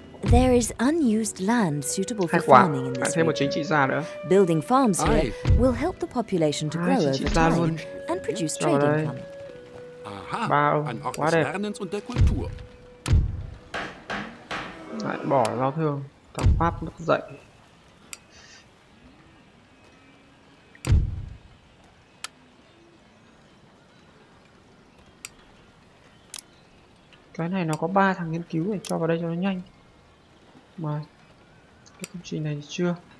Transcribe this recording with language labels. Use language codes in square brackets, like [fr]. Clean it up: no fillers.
[en] there is unused land suitable for farming in this region. Building farms here will help the population to grow over time and produce trading income. [de] Aha, ein Ort des Lernens und der Kultur. [vi] Lại bỏ giao thương, thằng Pháp nó dậy. Cái này nó có 3 thằng nghiên cứu để cho vào đây cho nó nhanh. Mà cái công trình này chưa.